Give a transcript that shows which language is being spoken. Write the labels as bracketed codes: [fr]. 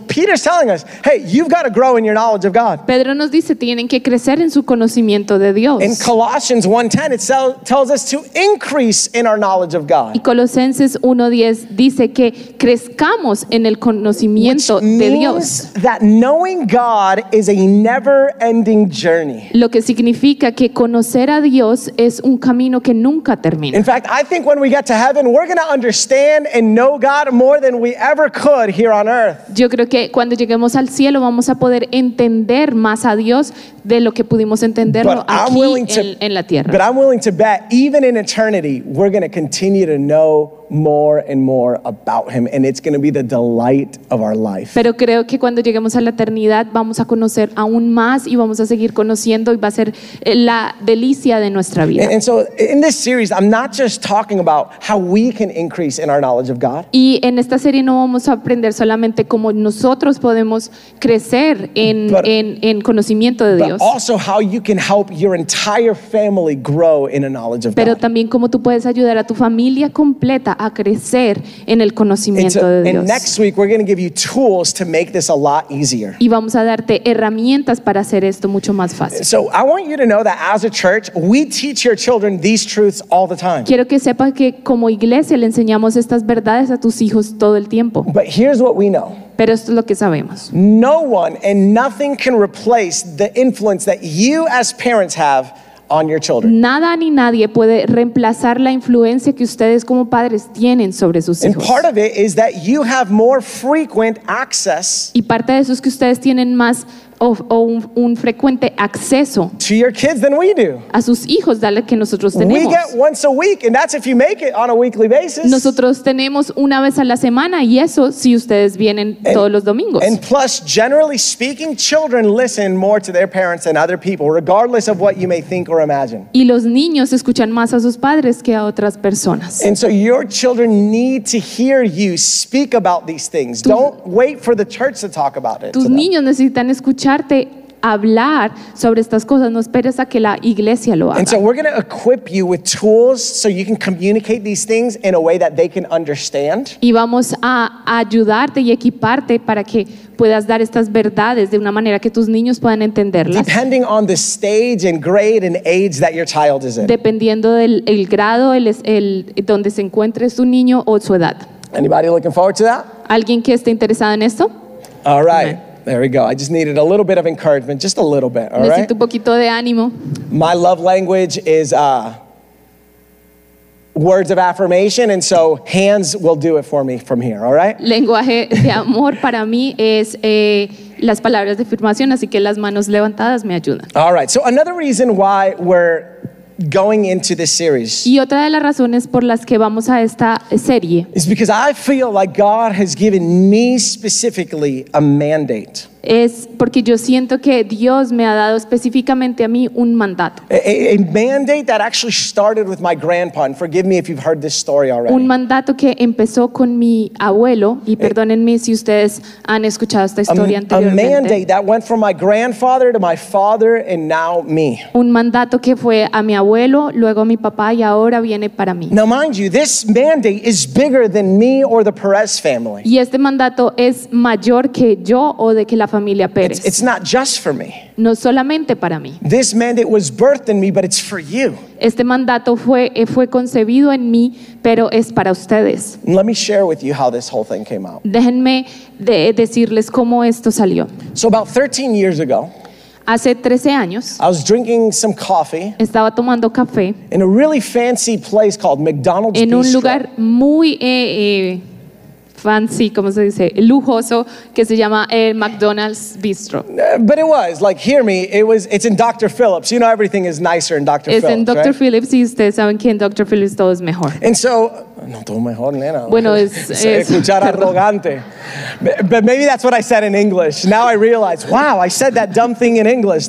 [en] Peter's telling us, hey, you've got to grow in your knowledge of God. [es] Pedro nos dice, tienen que crecer en su conocimiento de Dios. [en] In Colossians 1:10, it tells us to increase in our knowledge of God. [es] Y Colosenses 1:10 dice que crezcamos en el conocimiento de Dios. [en] Which means that knowing God is a never-ending journey. [es] Lo que significa que conocer a Dios es un camino que nunca termina. [en] In fact, I think when we get to heaven, we're going to understand and know God more than we ever could here on earth. [es] Yo creo que cuando lleguemos al cielo vamos a poder entender más a Dios de lo que pudimos entenderlo aquí en la tierra. [en] But I'm willing to bet even in eternity we're going to continue to know more and more about him, and it's going to be the delight of our life. [es] Pero creo que cuando lleguemos a la eternidad vamos a conocer aún más y vamos a seguir conociendo y va a ser la delicia de nuestra vida. [en] And so in this series I'm not just talking about how we can increase in our knowledge of God. [es] Y en esta serie no vamos a aprender solamente cómo nosotros podemos crecer en conocimiento de Dios. [en] But also how you can help your entire family grow in a knowledge of [es] Pero [en] God. [es] También cómo tú puedes ayudar a tu familia completa a crecer en el conocimiento de Dios. [en] And next week we're going to give you tools to make this a lot easier. [es] Y vamos a darte herramientas para hacer esto mucho más fácil. [en] So I want you to know that as a church we teach your children these truths all the time. [es] Quiero que sepas que como iglesia le enseñamos estas verdades a tus hijos todo el tiempo. [en] But here's what we know. [es] Pero esto es lo que sabemos. [en] No one and nothing can replace the influence that you as parents have on your children. [es] Nada ni nadie puede reemplazar la influencia que ustedes como padres tienen sobre sus hijos. [en] And part of it is that you have more frequent access. [es] Y parte de eso es que ustedes tienen más o un frecuente acceso [en] to your kids than we do. [es] A sus hijos dale que nosotros tenemos. [en] We get once a week and that's if you make it on a weekly basis. [es] Nosotros tenemos una vez a la semana y eso si ustedes vienen todos los domingos. [en] And plus, generally speaking, children listen more to their parents than other people, regardless of what you may think or imagine. [es] Y los niños escuchan más a sus padres que a otras personas. [en] And so your children need to hear you speak about these things. Don't wait for the church to talk about it. [es] Tus niños necesitan escucharte hablar sobre estas cosas, no esperes a que la iglesia lo haga. [en] And so we're going to equip you with tools so you can communicate these things in a way that they can understand. [es] Y vamos a ayudarte y equiparte para que puedas dar estas verdades de una manera que tus niños puedan entenderlas. [en] Depending on the stage and grade and age that your child is in. [es] Dependiendo del el grado, el donde se encuentre su niño o su edad. [en] Anybody looking forward to that? [es] ¿Alguien que esté interesado en esto? [en] All right. Amen. There we go. I just needed a little bit of encouragement, just a little bit, all [es] Necesito Un poquito de ánimo. [en] My love language is words of affirmation, and so hands will do it for me from here, all right? [es] Lenguaje de amor para mí es las palabras de afirmación, así que las manos levantadas me ayudan. [en] All right, so another reason why we're going into this series. [es] Y otra de las razones por las que vamos a esta serie. [en] Is because I feel like God has given me specifically a mandate. [es] Es porque yo siento que Dios me ha dado específicamente a mí un mandato. [en] A mandate that actually started with my grandpa. And forgive me if you've heard this story already. [es] Un mandato que empezó con mi abuelo. Y perdónenme si ustedes han escuchado esta historia anteriormente. [en] A mandate that went from my grandfather to my father and now me. [es] Un mandato que fue a mi abuelo, luego a mi papá y ahora viene para mí. [en] Now mind you, this mandate is bigger than me or the Perez family. [es] Y este mandato es mayor que yo o de que la familia Pérez. [en] It's not just for me. [es] No solamente para mí. [en] This mandate was birthed in me, but it's for you. [es] Este mandato fue concebido en mí, pero es para ustedes. [en] Let me share with you how this whole thing came out. [es] Déjenme decirles cómo esto salió. [en] So about 13 years ago, [es] hace 13 años, [en] I was drinking some coffee. [es] Estaba tomando café. [en] In a really fancy place called McDonald's Bistro. [es] En un lugar muy fancy, ¿cómo se dice? Lujoso, que se llama el McDonald's Bistro. [en] But it was, like, hear me, it's in Dr. Phillips. You know everything is nicer in Dr. Phillips, right? [es] Es en Dr. [en] Right? [es] Phillips y ustedes saben que en Dr. Phillips todo es mejor. [en] And so, [es] no todo mejor, nena. Bueno, es... se escuchar arrogante. [en] But maybe that's what I said in English. Now I realize, wow, I said that dumb thing in English.